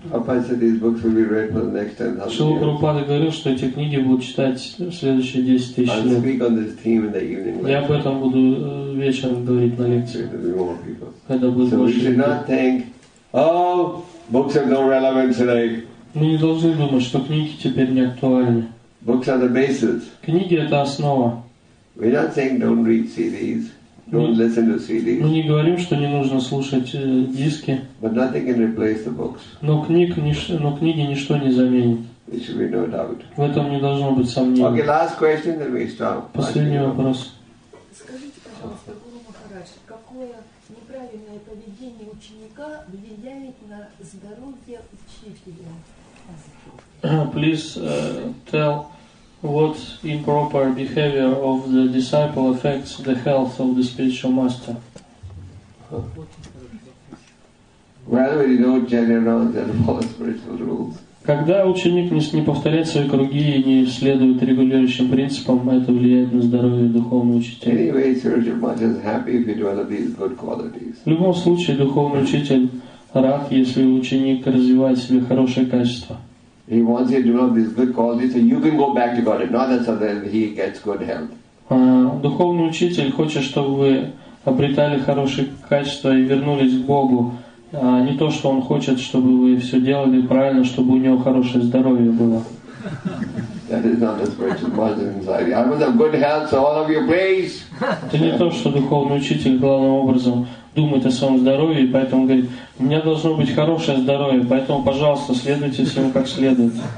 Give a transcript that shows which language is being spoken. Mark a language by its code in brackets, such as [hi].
[en] Papa said these books will be read for the next 10,000 years. [ru] Шрила Прабхупада говорил, что эти книги будут читать следующие 10,000 лет. [en] I'll speak on this theme in the evening lecture. [ru] Я об этом буду вечером говорить на лекции. Когда будет больше. [en] So we should not think, oh, books have no relevance today. [ru] Мы не должны думать, что книги теперь не актуальны. [en] Books are the basis. [ru] Книги это основа. [en] We're not saying don't read CDs. Don't listen to CDs. [ru] Мы не говорим, что не нужно слушать диски. [en] But nothing can replace the books. [ru] Но книги ничто не заменит. [en] There should be no doubt. [ru] В этом не должно быть сомнений. [en] Okay, last question, then we stop. [ru] Последний вопрос. Скажите, пожалуйста, Гуру Махарадж, какое неправильное поведение ученика влияет на здоровье учителя? [en] Please tell what improper behavior of the disciple affects the health of the spiritual master. Well, we don't generally that follow spiritual rules. [ru] Когда ученик не повторяет свои круги и не следует регулирующим принципам, это влияет на здоровье духовного учителя. [en] Anyway, spiritual master is happy if you develop these good qualities. [ru] В любом случае, духовный учитель рад, если ученик развивает в себе хорошие качества. [en] He wants you to develop these good qualities, and you can go back to Godhead. Not that suddenly he gets good health. [ru] Духовный учитель хочет, чтобы вы обретали хорошие качества и вернулись к Богу. Не то, что он хочет, чтобы вы все делали правильно, чтобы у него хорошее здоровье было. [en] That is not the spiritual master inside. I must have good health, so all of you please. [ru] Это не то, что духовный учитель главным образом думает о своем здоровье, и поэтому говорит, у меня должно быть хорошее здоровье, поэтому, пожалуйста, следуйте всем как следует.